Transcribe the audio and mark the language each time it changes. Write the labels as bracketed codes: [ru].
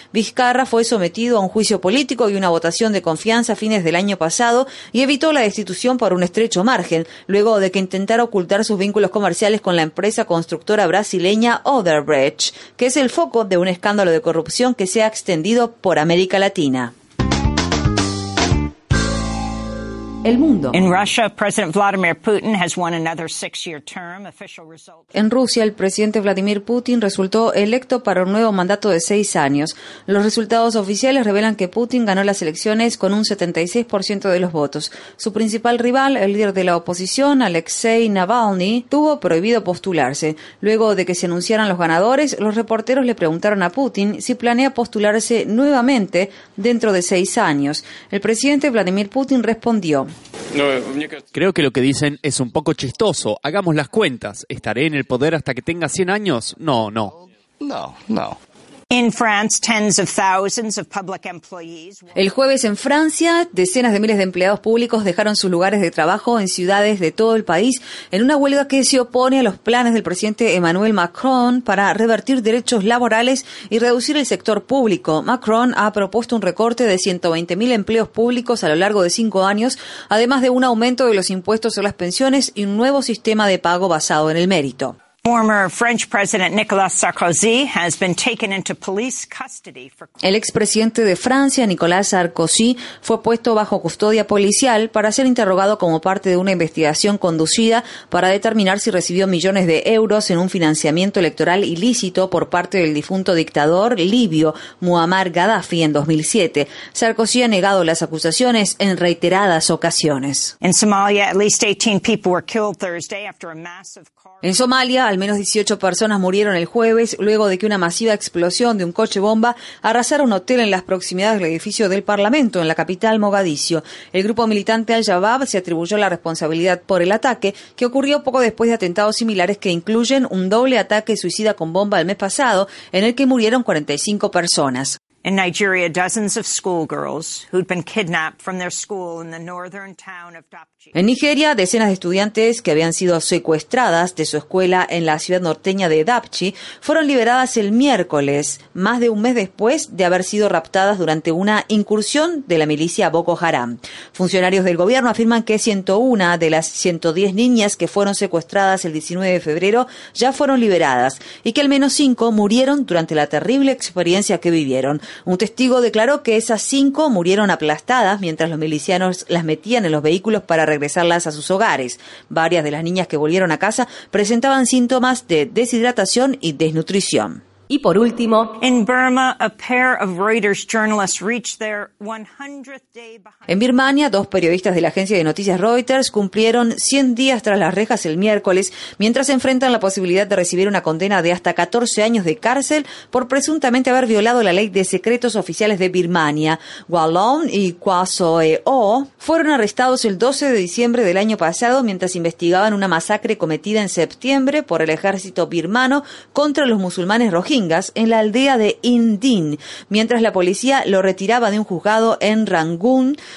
[es] Vizcarra fue sometido a un juicio político y una votación de confianza a fines del año pasado y evitó la destitución por un estrecho margen, luego de que intentara ocultar sus vínculos comerciales con la empresa constructora brasileña Odebrecht, que es el foco de un escándalo de corrupción que se ha extendido por América Latina. El mundo. [en] In Russia, President Vladimir Putin has won another 6-year term. Official result. [es] En Rusia, el presidente Vladimir Putin resultó electo para un nuevo mandato de 6 años. Los resultados oficiales revelan que Putin ganó las elecciones con un 76% de los votos. Su principal rival, el líder de la oposición, Alexei Navalny, tuvo prohibido postularse. Luego de que se anunciaran los ganadores, los reporteros le preguntaron a Putin si planea postularse nuevamente dentro de 6 años. El presidente Vladimir Putin respondió: creo que lo que dicen es un poco chistoso. Hagamos las cuentas. ¿Estaré en el poder hasta que tenga 100 años? No, no. No, no. [en] In France, tens of thousands of public employees. [es] El jueves en Francia, decenas de miles de empleados públicos dejaron sus lugares de trabajo en ciudades de todo el país en una huelga que se opone a los planes del presidente Emmanuel Macron para revertir derechos laborales y reducir el sector público. Macron ha propuesto un recorte de 120.000 empleos públicos a lo largo de 5 años, además de un aumento de los impuestos sobre las pensiones y un nuevo sistema de pago basado en el mérito. [en] Former French President Nicolas Sarkozy has been taken into police custody. [es] El expresidente de Francia, Nicolas Sarkozy, fue puesto bajo custodia policial para ser interrogado como parte de una investigación conducida para determinar si recibió millones de euros en un financiamiento electoral ilícito por parte del difunto dictador libio Muammar Gaddafi en 2007. Sarkozy ha negado las acusaciones en reiteradas ocasiones. [en] In Somalia, at least 18 people were killed Thursday after a massive car. [es] En Somalia, al menos 18 personas murieron el jueves luego de que una masiva explosión de un coche bomba arrasara un hotel en las proximidades del edificio del Parlamento en la capital Mogadiscio. El grupo militante Al-Shabaab se atribuyó la responsabilidad por el ataque, que ocurrió poco después de atentados similares que incluyen un doble ataque suicida con bomba el mes pasado, en el que murieron 45 personas. [en] In Nigeria, dozens of schoolgirls who'd been kidnapped from their school in the northern town of Dapchi. [es] En Nigeria, decenas de estudiantes que habían sido secuestradas de su escuela en la ciudad norteña de Dapchi fueron liberadas el miércoles, más de un mes después de haber sido raptadas durante una incursión de la milicia Boko Haram. Funcionarios del gobierno afirman que 101 de las 110 niñas que fueron secuestradas el 19 de febrero ya fueron liberadas y que al menos 5 murieron durante la terrible experiencia que vivieron. Un testigo declaró que esas 5 murieron aplastadas mientras los milicianos las metían en los vehículos para regresarlas a sus hogares. Varias de las niñas que volvieron a casa presentaban síntomas de deshidratación y desnutrición. Y por último, [en] en Burma, a pair of Reuters journalists reached their 100th day behind. [es] En Birmania, 2 periodistas de la agencia de noticias Reuters cumplieron 100 días tras las rejas el miércoles, mientras se enfrentan la posibilidad de recibir una condena de hasta 14 años de cárcel por presuntamente haber violado la ley de secretos oficiales de Birmania. Wallon y Kwasoe Oh fueron arrestados el 12 de diciembre del año pasado mientras investigaban una masacre cometida en septiembre por el ejército birmano contra los musulmanes Rohingyas en la aldea de Indin, mientras la policía lo retiraba de un juzgado en Rangún.